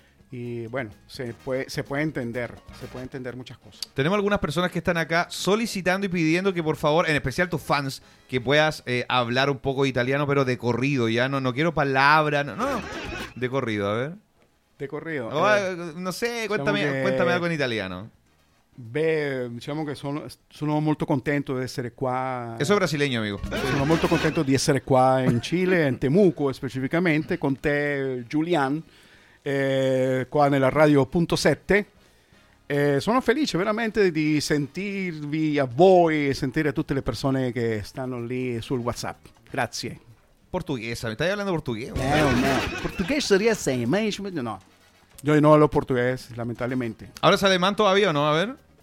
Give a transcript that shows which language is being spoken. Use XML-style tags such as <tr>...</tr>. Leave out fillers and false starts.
<es>Y bueno, se puede entender muchas cosas. Tenemos algunas personas que están acá solicitando y pidiendo que por favor, en especial tus fans, que puedas hablar un poco italiano, pero de corrido, ya no quiero palabra, de corrido, a ver. De corrido. Cuéntame algo en italiano.</es> <it>Diciamo che sono molto contento di essere qua.</it> <es>Eso es brasileño, amigo.</es> <it>Sono molto contento di essere qua in Cile, in Temuco specificamente, con te, Julian, qua nella Radio Punto 7. Sono felice veramente di sentirvi a voi e sentire tutte le persone che stanno lì sul WhatsApp. Grazie. Portuguesa, mi stai parlando portoghese?</it> <es>No. Portuguese sería sí, más o menos, no. Yo no hablo portugués, lamentablemente. ¿Ahora es alemán todavía o no? A ver.</es>